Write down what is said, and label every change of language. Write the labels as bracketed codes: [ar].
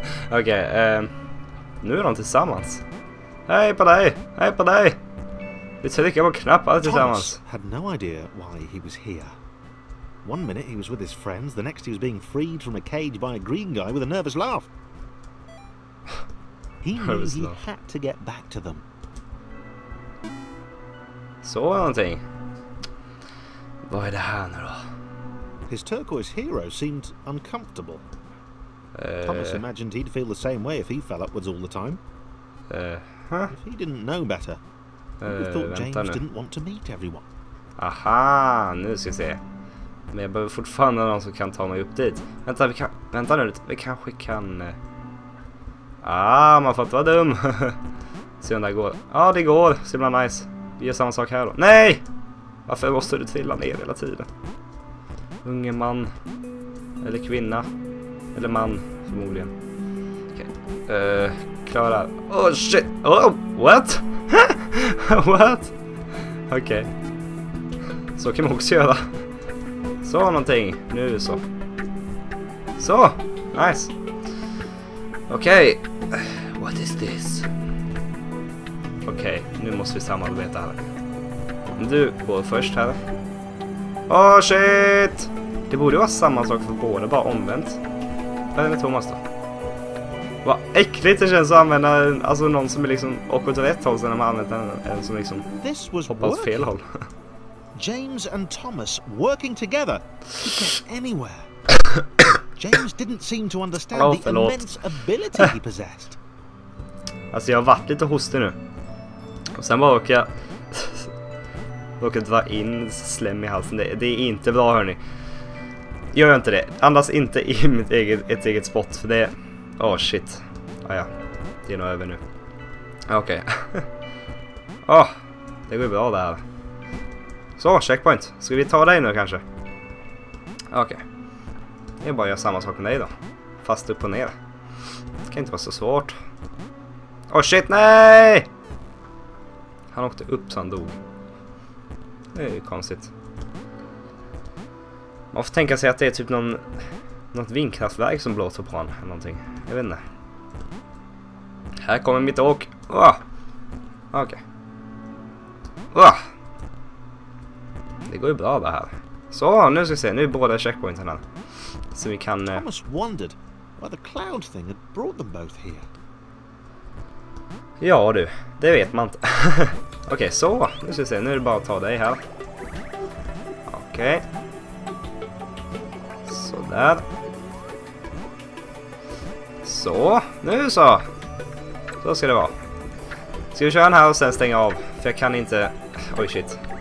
[sv] Okej, nu är de tillsammans. Hej på dig! Hej på dig! Vi trycker på knapp alla tillsammans. [en] Thomas had no idea why he was here. One minute he was with his friends, the next he was being freed from a cage by a green guy with a nervous laugh. He knew he had to get back to them. [sv] Så var någonting. Vad är det här nu då? [en] His turquoise hero seemed uncomfortable. Thomas imagined he'd feel the same way if he fell upwards all the time. If he didn't know better, he thought James [sv] nu. [en] Didn't want to meet everyone. [sv] Aha, nu ska vi se. Men jag behöver fortfarande någon som kan ta mig upp dit. Vänta, vi kan, vänta nu, vi kanske kan... man får inte vara dum. Se om det här går. Ja, det går. Så himla nice. Vi gör samma sak här då. Nej! Varför måste du trilla ner hela tiden? Unge man. Eller kvinna. Eller man, förmodligen. Okej. Klara. Oh shit! [en] Oh, what? What? [sv] Okej. Okay. Så kan man också göra. Så någonting. Nu är det så. Så! Nice! Okej. Okay. [en] What is this? [sv] Okej, okay, nu måste vi samarbeta här. Du går först här. [en] Oh shit! [sv] Det borde vara samma sak för båda, bara omvänt. Vad är det med Thomas då? Vad äckligt det känns att använda en, alltså någon som är liksom åker åt rätt håll sen när man använder en som liksom hoppar åt fel håll. [en] James and Thomas working together. Anywhere. James didn't seem to understand the immense ability he possessed. [sv] Alltså jag har varit lite hostig nu. Och sen bara åker jag dra in slem i halsen. Det är inte bra hörni. Gör jag inte det. Andas inte i mitt eget, ett eget spot. För det är... [en] Oh shit. [sv] Ah, ja. Det är nog över nu. Okej. Okay. Åh. Oh, det går bra där. Så, checkpoint. Ska vi ta dig nu kanske? Okej. Okay. Det är bara att göra samma sak med dig då. Fast upp och ner. Det kan inte vara så svårt. [en] Oh shit, [sv] nej! Han åkte upp så han dog. Det är ju konstigt. Man får tänka sig att det är typ någon, något vindkraftverk som blåser på han eller någonting. Jag vet inte. Här kommer mitt åk. Okej. Okay. Det går ju bra det här. Så, nu ska vi se. Nu är båda checkpointen här. Så vi kan... [en] Thomas wondered why the cloud thing had brought them both here. [sv] Ja du, det vet man inte. Okej, okay, så. Nu ska vi se. Nu är det bara att ta dig här. Okej. Okay. Sådär. Så. Nu så. Så ska det vara. Ska vi köra den här och sen stänga av? För jag kan inte... Oj, shit.